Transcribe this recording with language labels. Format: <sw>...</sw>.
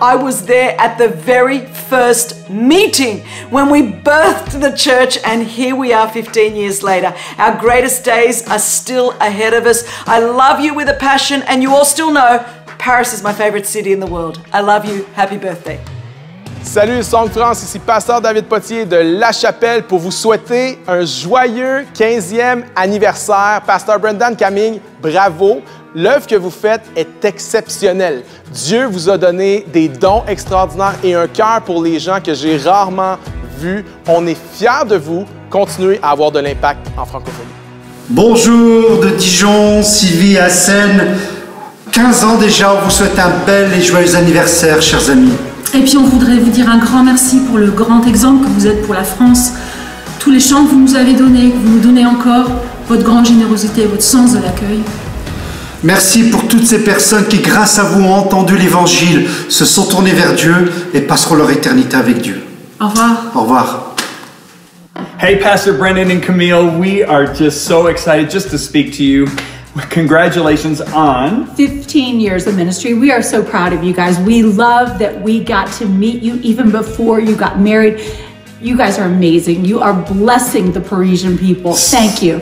<en>I was there at the very first meeting when we birthed the church, and here we are 15 years later. Our greatest days are still ahead of us. I love you with a passion, and you all still know Paris is my favorite city in the world. I love you. Happy birthday.</en> <fr>Salut Hillsong France, ici Pasteur David Potier de La Chapelle pour vous souhaiter un joyeux 15e anniversaire. Pasteur Brendan Camming, bravo! L'œuvre que vous faites est exceptionnelle. Dieu vous a donné des dons extraordinaires et un cœur pour les gens que j'ai rarement vu. On est fiers de vous. Continuez à avoir de l'impact en francophonie. Bonjour de Dijon, Sylvie Hassen. 15 ans déjà, on vous souhaite un bel et joyeux anniversaire, chers amis. Et puis on voudrait vous dire un grand merci pour le grand exemple que vous êtes pour la France. Tous les chants que vous nous avez donnés, que vous nous donnez encore, votre grande générosité et votre sens de l'accueil. Merci pour toutes ces personnes qui, grâce à vous, ont entendu l'Évangile, se sont tournées vers Dieu et passeront leur éternité avec Dieu. Au revoir. Au revoir.</fr> <en>Hey Pastor Brendan and Camille, we are just so excited just to speak to you. Congratulations on 15 years of ministry. We are so proud of you guys. We love that we got to meet you even before you got married. You guys are amazing. You are blessing the Parisian people. Thank you.</en>